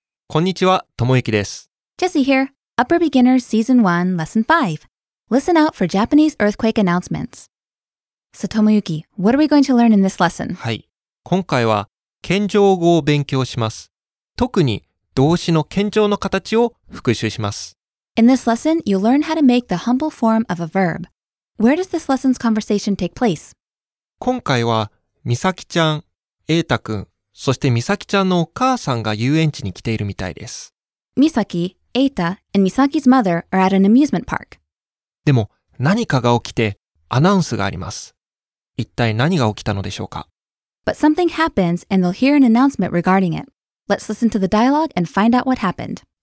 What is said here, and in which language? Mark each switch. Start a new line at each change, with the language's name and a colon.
Japanese: こんにちは、ともゆきです。
English: Jesse here. Upper Beginners Season 1 Lesson 5. Listen out for Japanese earthquake announcements. So, Tomoyuki, what are we going to learn in this lesson?
Japanese: はい、今回は謙譲語を勉強します。特に動詞の謙譲の形を復習します。
English: In this lesson, you'll learn how to make the humble form of a verb. Where does this lesson's conversation take place?
Japanese: 今回はみさきちゃん、えいたくん、そしてみさきちゃんのお母さんが遊園地に来ているみたいです。
English: みさき、えいた、and みさき's mother are at an amusement park.
Japanese: でも何かが起きてアナウンスがあります。一体何が起きたのでしょうか。
English: But something happens and they'll hear an announcement regarding it. Let's listen to the dialogue and find out what happened.